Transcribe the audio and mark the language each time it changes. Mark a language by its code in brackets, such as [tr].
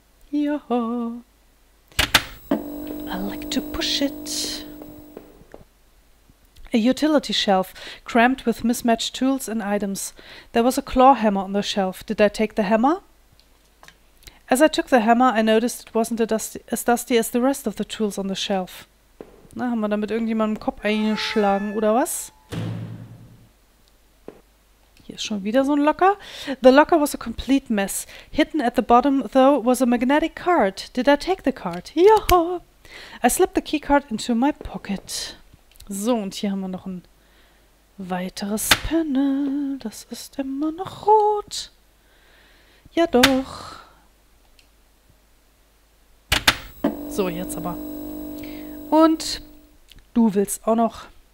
[en] Yo-ho. I like to push it. A utility shelf, crammed with mismatched tools and items. There was a claw hammer on the shelf. Did I take the hammer? As I took the hammer, I noticed it wasn't as dusty as the rest of the tools on the shelf. [de] Na, haben wir damit irgendjemandem Kopf eingeschlagen, oder was? Hier ist schon wieder so ein Locker. The locker was a complete mess. [en] Hidden at the bottom, though, was a magnetic card. Did I take the card? Joho! I slipped the key card into my pocket. [de] So, und hier haben wir noch ein weiteres Panel. Das ist immer noch rot. Ja, doch. So, jetzt aber. Und du willst auch noch.